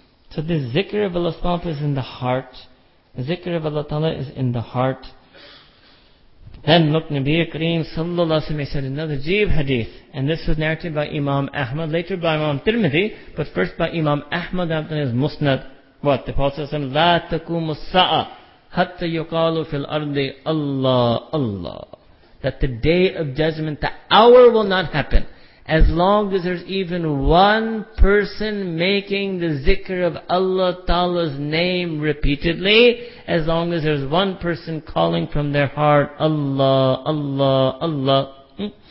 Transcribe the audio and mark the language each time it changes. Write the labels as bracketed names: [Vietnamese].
[English] So this zikr of Allah Ta'ala is in the heart. Zikr of Allah Ta'ala is in the heart. Then look, Nabi Kareem sallallahu alayhi wa sallam said another jeeb hadith. And this was narrated by Imam Ahmad, later by Imam Tirmidhi, but first by Imam Ahmad after his musnad. What? The Prophet said, [Arabic] لا تكوم الساعة حتى يقال في الأرض الله الله. [English] That the day of judgment, the hour will not happen. As long as there's even one person making the zikr of Allah Ta'ala's name repeatedly, as long as there's one person calling from their heart, Allah, Allah, Allah.